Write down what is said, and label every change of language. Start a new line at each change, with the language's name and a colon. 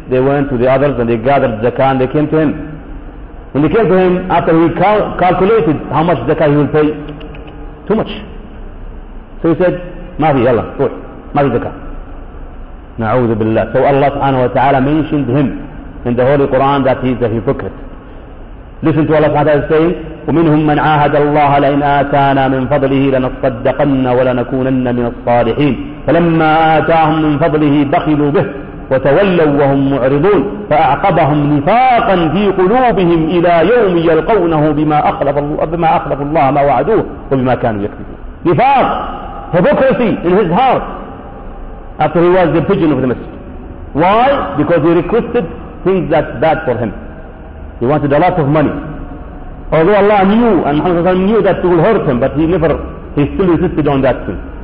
English: They went to the others and they gathered zakah and they came to him. When they came to him, after he calculated how much zakah he will pay, too much. So he said, Mahi, Allah, go, Mahi zakah.
Arabic: نعوذ بالله.
English: So Allah subhanahu wa ta'ala mentioned him in the Holy Quran that he's a hypocrite. Listen to Allah subhanahu wa ta'ala saying,
Arabic: وَمِنْهُمْ مَنْ عَاهَدَ اللَّهَ لَئِنْ آتَانَا مِنْ فَضْلِهِ لَنَصَّدَّقَنَّ وَلَنَكُونَنَّ مِنَ الصَّالِحِينَ فَلَمَّا آتَاهُمْ مِنْ فَضْلِهِ بَخِلُوا بِهِ وَتَوَلَّوا وَهُمْ مُعْرِضُونَ فَأَعْقَبَهُمْ نِفَاقًا فِي قُلُوبِهِمْ إِلَى يَوْمِ يَلْقَوْنَهُ بِمَا أَخْلَفَ اللَّهَ مَا وَعَدُوهُ وَبِمَا كَانُوا يَكْذِبُونَ.
English: نفاق, hypocrisy in his heart. After he was the pigeon of the Masjid. Why? Because he requested things that bad for him. He wanted a lot of money. Although Allah knew and Muhammad knew that it will hurt him, but he still resisted on that thing.